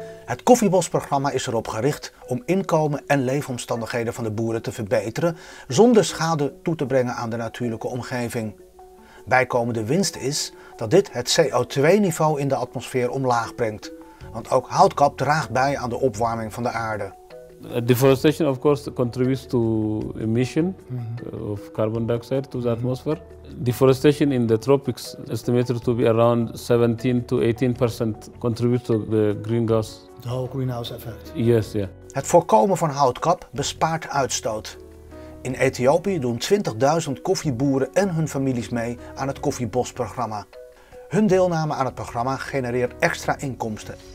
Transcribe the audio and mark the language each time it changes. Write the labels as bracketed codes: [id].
[nl] Het Koffiebosprogramma is erop gericht om inkomen en leefomstandigheden van de boeren te verbeteren zonder schade toe te brengen aan de natuurlijke omgeving. Bijkomende winst is dat dit het CO2-niveau in de atmosfeer omlaag brengt, want ook houtkap draagt bij aan de opwarming van de aarde. [en] Deforestation of course contributes to emission of carbon dioxide to the atmosphere. Deforestation in the tropics estimated to be around 17-18% contributes to the greenhouse. The whole greenhouse effect. Yes, yeah. [nl] Het voorkomen van houtkap bespaart uitstoot. In Ethiopië doen 20.000 koffieboeren en hun families mee aan het koffiebosprogramma. Hun deelname aan het programma genereert extra inkomsten.